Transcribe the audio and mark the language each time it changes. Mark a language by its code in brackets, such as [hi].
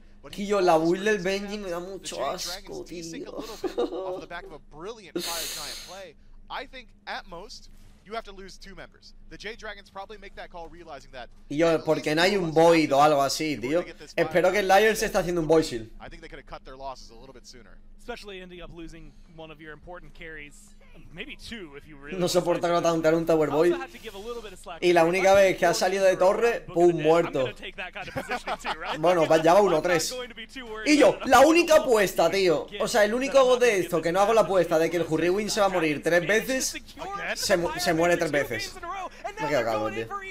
[es] Quillo, la build del Benji me da mucho asco, tío. [en] Off the back of a brilliant Fire Giant play, I think at most you have to lose two members. The Jade Dragons probably make that call realizing that. [es] Y yo, ¿por qué no hay un Void o algo así, tío? Espero que el Lyre se está haciendo un Void Shield. [en] I think they could have cut their losses a little bit sooner. Especially ending up losing one of your important carries, maybe two if you really. [es] No soporta que no tanto un Tower Boy. Y la única vez que ha salido de torre, pum, muerto. Bueno, ya va 1-3. Y yo, la única apuesta, tío. O sea, el único de esto que no hago la apuesta de que el Hurriwin se va a morir 3 veces, se muere 3 veces. Me quedo calvo, tío.